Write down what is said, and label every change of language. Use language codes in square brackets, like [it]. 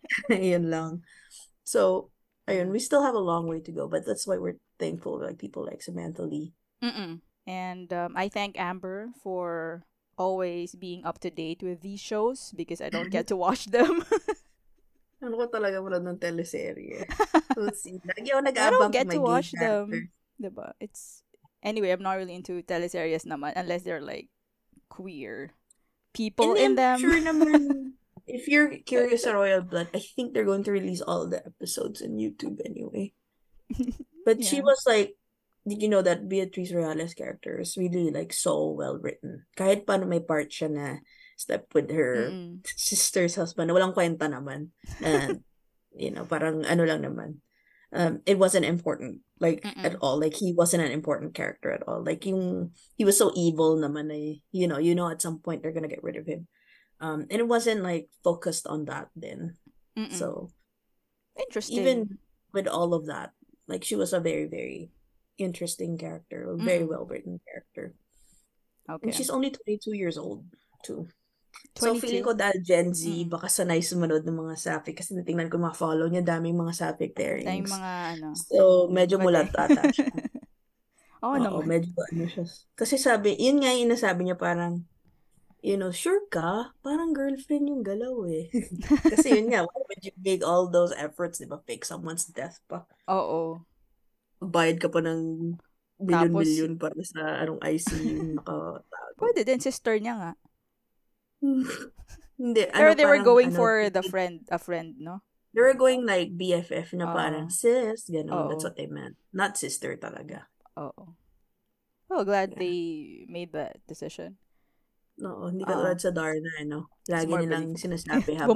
[tl] Ayun lang. [en] So, ayun, we still have a long way to go, but that's why we're thankful for, like people like Samantha Lee. Mm-mm. And I thank Amber for always being up to date with these shows because I don't get to watch them. [tl] Ano ko talaga wala ng teleserye. Lagi ako nag-aabang. [en] I don't get to watch them. Diba? It's... Anyway, I'm not really into teleseries naman unless they're like queer people in them. Sure naman. If you're curious about Royal Blood, I think they're going to release all the episodes on YouTube anyway. But yeah. She was like, did you know that Beatrice Reales' character is really like so well written? [tl] Kahit pa na may part siya na [en] step with her sister's husband, [tl] na walang kwenta naman. [en] And, you know, [tl] parang ano lang naman. [en] It wasn't important, like, at all. Like, he wasn't an important character at all. Like, he was so evil naman na, you know, at some point they're gonna get rid of him. And it wasn't, like, focused on that then. Mm-mm. So. Interesting. Even with all of that, like, she was a very, very interesting character. A very well-written character. Okay. And she's only 22 years old, too. 22? [tl] So, feeling ko dahil Gen Z, baka sanay sumunod ng mga sapphic. Kasi natingnan ko mga follow niya, daming mga sapphic pairings. Daming mga, ano. So, medyo mulat-ata siya. Oo, naman. Medyo, ano siya. Kasi sabi, yun nga yung inasabi niya parang, [en] you know, [tl] sure ka, parang girlfriend yung galaw eh. Kasi yun nga, [en] why would you make all those efforts, diba, fake someone's death pa? [tl] Oo. Bayad ka pa ng million-million para sa anong ICU yung nakatago. Pwede din, sister niya nga. Hindi. [en] Or they were going for the friend, a friend, no? They were going like BFF [tl] na parang sis, ganun, [en] that's what they meant. Not sister talaga. [tl] Oo. [en] Well, glad they made that decision. [tl] No, hindi ka tulad sa Darna, no? Lagi nilang sinasabi habang